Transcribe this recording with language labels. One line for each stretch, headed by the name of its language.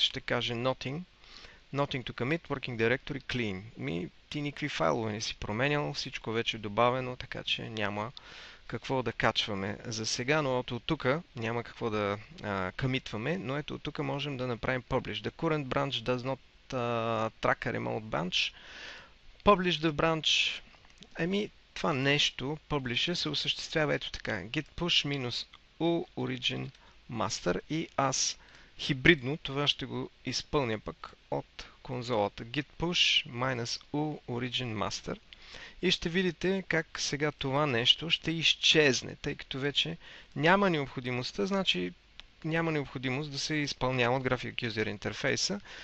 Bulgarian: Ще каже
English: nothing. Nothing to commit, working directory, clean.
Bulgarian: Ми, ти никакви файлове не си променял, всичко вече е добавено, така че няма какво да качваме за сега, но от тук няма какво да комитваме, но ето от тук можем да направим publish.
English: The current branch does not track a remote branch. Publish the branch.
Bulgarian: Еми, това нещо, publish, се осъществява ето така.
English: Git push minus u origin master
Bulgarian: и аз хибридно това ще го изпълня пък от конзолата.
English: Git push minus u origin master
Bulgarian: и ще видите как сега това нещо ще изчезне, тъй като вече няма необходимостта, значи няма необходимост да се изпълнява от Graphic User интерфейса.